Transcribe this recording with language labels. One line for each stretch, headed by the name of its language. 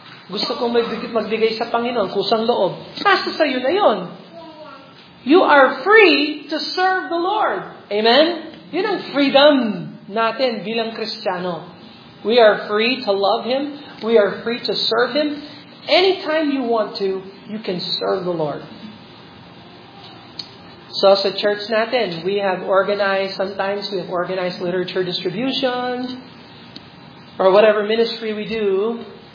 Filipino: Gusto kong magbigay sa Panginoon, kusang loob. Nasa sa'yo na yun.
English: You are free to serve the Lord. Amen?
Filipino: Yun ang freedom natin bilang Kristiyano.
English: We are free to love Him. We are free to serve Him. Anytime you want to, you can serve the Lord. So
Filipino: sa church natin,
English: we have organized, sometimes we have organized literature distribution or whatever ministry we do.